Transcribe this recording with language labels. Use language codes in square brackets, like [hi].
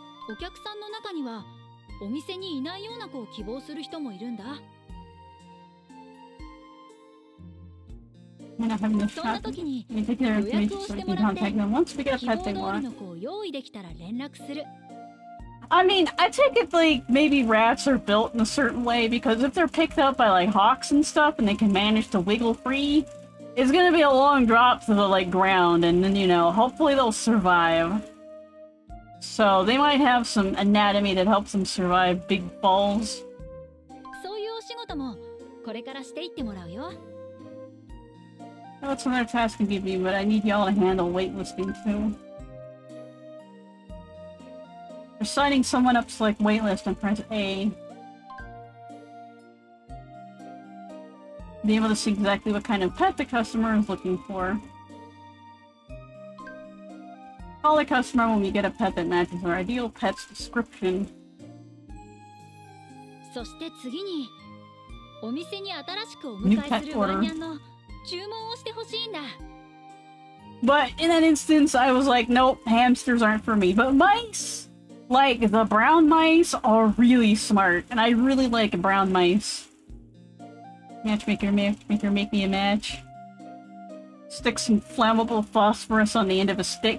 [ja] お客さんの中にはお店にいないような子を希望する人もいるんだ。そんな時に予約をしてもらって希望通りの子を用意できたら連絡する。 [en] I mean, I take it like maybe rats are built in a certain way because if they're picked up by like hawks and stuff and they can manage to wiggle free, it's gonna be a long drop to the like ground and then you know hopefully they'll survive. So they might have some anatomy that helps them survive big falls. [ja] そういうお仕事もこれからしていってもらうよ。 [en] That's another task to give me, but I need y'all to handle waitlisting too. For signing someone up to like waitlist and press A. Be able to see exactly what kind of pet the customer is looking for. Call a customer when we get a pet that matches our ideal pet's description. [ja] そして次にお店に新しくお迎えするワンニャンの注文をしてほしいんだ。 [en] But in that instance, I was like, nope, hamsters aren't for me. But mice, like the brown mice, are really smart, and I really like brown mice. Matchmaker, make me a match. Stick some flammable phosphorus on the end of a stick.